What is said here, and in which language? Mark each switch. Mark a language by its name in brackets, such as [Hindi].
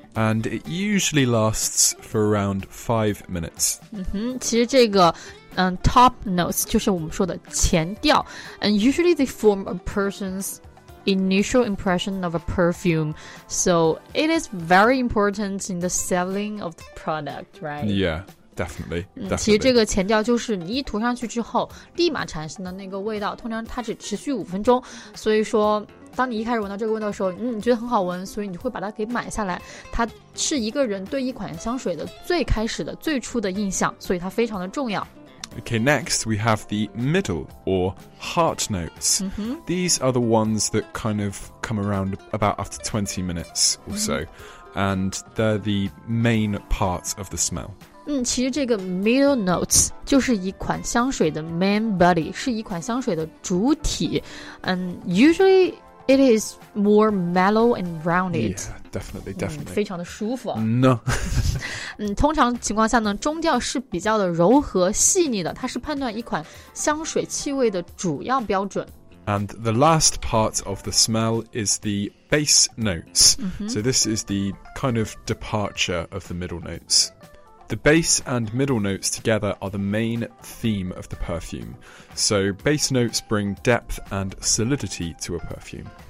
[English] And it usually lasts for around 5 minutes. [Chinese] 嗯哼，其实这个top notes 就是我们说的前调。 [English] And usually they form a person's initial impression of a perfume. So it is very important in the selling of the product, right? Yeah, definitely. [Chinese] 其实这个前调就是你一涂上去之后立马产生的那个味道，通常它只持续五分钟，所以说当你一开始闻到这个味道的时候，你觉得很好闻，所以你会把它给买下来。它是一个人对一款香水的最开始的最初的印象，所以它非常的重要。 [English] Okay, next we have the middle or heart notes、 mm-hmm. These are the ones that kind of come around about after 20 minutes or so、mm-hmm. And they're the main part of the smell. [Chinese] 其实这个 middle notes 就是一款香水的 [English] main body, [Chinese] 是一款香水的主体。 [English] UsuallyIt is more mellow and rounded. Yeah, definitely, definitely. [Chinese] 非常的舒服。 [English] No. [Chinese] 通常情况下呢，中调是比较的柔和细腻的，它是判断一款香水气味的主要标准。 [English] And the last part of the smell is the bass notes.、 Mm-hmm. So this is the kind of departure of the middle notes. The bass and middle notes together are the main theme of the perfume. So bass notes bring depth and solidity to a perfume.